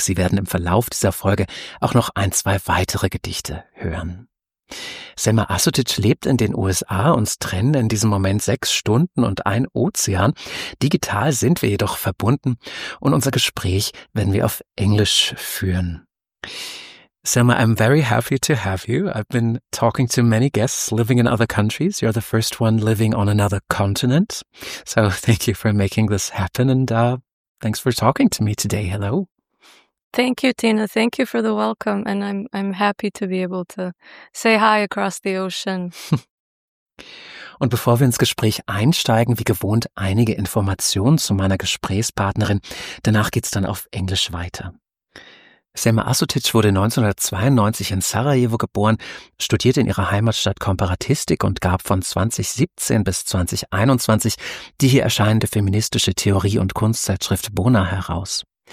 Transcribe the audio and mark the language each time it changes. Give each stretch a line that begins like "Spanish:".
German: Sie werden im Verlauf dieser Folge auch noch ein, zwei weitere Gedichte hören. Selma Asotic lebt in den USA, uns trennen in diesem Moment 6 Stunden und ein Ozean. Digital sind wir jedoch verbunden und unser Gespräch werden wir auf Englisch führen.
English: Selma, I'm very happy to have you. I've been talking to many guests living in other countries. You're the first one living on another continent. So thank you for making this happen and thanks for talking to me today. Hello. Thank you, Tina. Thank you for the welcome. And I'm happy to be able to say hi across the ocean.
German: Und bevor wir ins Gespräch einsteigen, wie gewohnt, einige Informationen zu meiner Gesprächspartnerin. Danach geht's dann auf Englisch weiter. Selma Asotic wurde 1992 in Sarajevo geboren, studierte in ihrer Heimatstadt Komparatistik und gab von 2017 bis 2021 die hier erscheinende feministische Theorie- und Kunstzeitschrift Bona heraus.